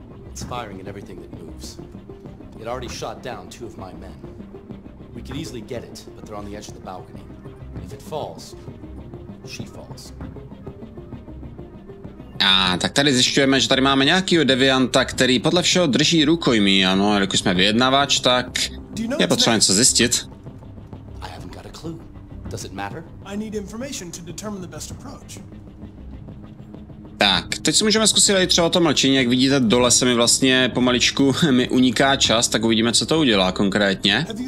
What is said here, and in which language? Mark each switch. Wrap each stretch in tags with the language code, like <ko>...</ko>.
<en>It's firing at everything that moves. It already shot down two of my men. We could easily get it, but they're on the edge of the balcony. If it falls, she falls.</en> <cs>A tak tady zjišťujeme, že tady máme nějakýho devianta, který podle všeho drží rukojmí, ano, jakož jsme vyjednavač, tak je potřeba něco zjistit.</cs> <en>I haven't got a clue. Does it matter? I need information to determine the best approach.</en> <cs>Tak, teď si můžeme zkusit i třeba to mlčení, jak vidíte, dole se mi vlastně pomaličku mi uniká čas, tak uvidíme, co to udělá konkrétně.</cs>